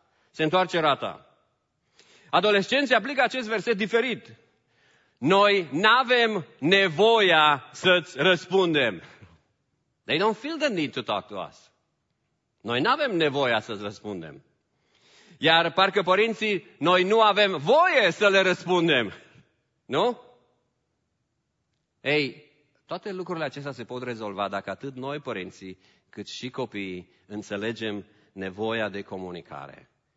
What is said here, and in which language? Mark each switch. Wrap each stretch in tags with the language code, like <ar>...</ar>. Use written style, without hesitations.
<ro>Se întoarce roata. Adolescenții aplică acest verset diferit. Noi n-avem nevoia să-ți răspundem.</ro> <en>They don't feel the need to talk to us.</en> <ro>Noi n-avem nevoia să-ți răspundem. Iar parcă părinții, noi nu avem voie să le răspundem. Nu? Ei, toate lucrurile acestea se pot rezolva dacă atât noi părinții, cât și copiii, înțelegem nevoia de comunicare.</ro>